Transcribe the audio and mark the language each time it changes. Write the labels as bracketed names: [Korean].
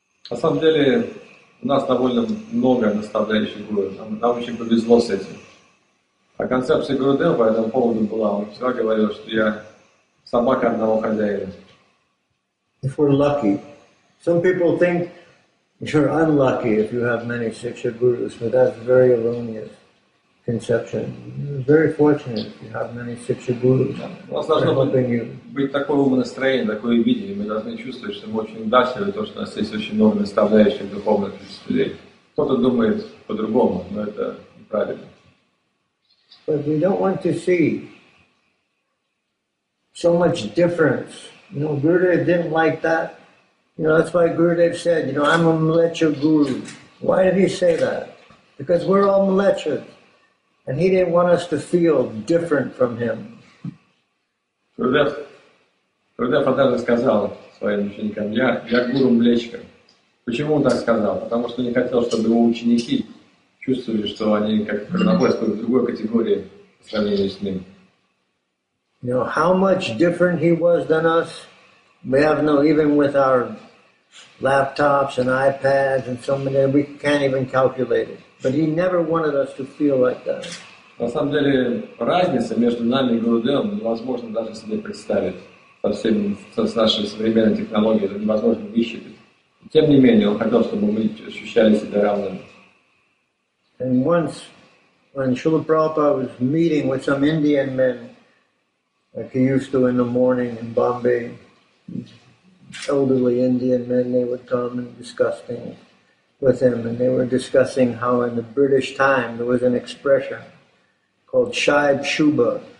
[Russian] На самом деле, у нас довольно много наставляющих гуру. Нам очень повезло с этим. А концепция Гурудева по этому поводу была. Он всегда говорил, что я собака одного хозяина. [English] If we're lucky. Some people think you're unlucky if you have many Siksha Gurus, but that's a very erroneous conception. You're very fortunate if you have many Siksha Gurus. [Russian] У нас должно быть такое умонастроение, такое видение. Мы должны чувствовать, что мы очень удачливы, потому что у нас есть очень много наставляющих духовных людей. Кто-то думает по-другому, но это неправильно. [English] But we don't want to see so much difference. You know, Gurudev didn't like that. You know, that's why Gurudev said, you know, I'm a Mlecha Guru. Why did he say that? Because we're all Mlechas. And he didn't want us to feel different from him. [Russian] Гурудев однажды сказал своим ученикам, я гуру Млечка. Почему он так сказал? Потому что не хотел, чтобы его ученики чувствовали, что они как находятся в другой категории по сравнению с ним. [English] You know, how much different he was than us, we have no, even with our laptops and iPads and so many, we can't even calculate it. But he never wanted us to feel like that. [Russian] На самом деле, разница между нами и Гурудевом невозможно даже себе представить. С нашей современной технологией это невозможно высчитать. Тем не менее, он хотел, чтобы мы ощущали себя равными. [English] And once, when Srila Prabhupada was meeting with some Indian men, like he used to in the morning in Bombay, elderly Indian men, they would come and discuss things with him, and they were discussing how in the British time there was an expression called Shaib Shubha.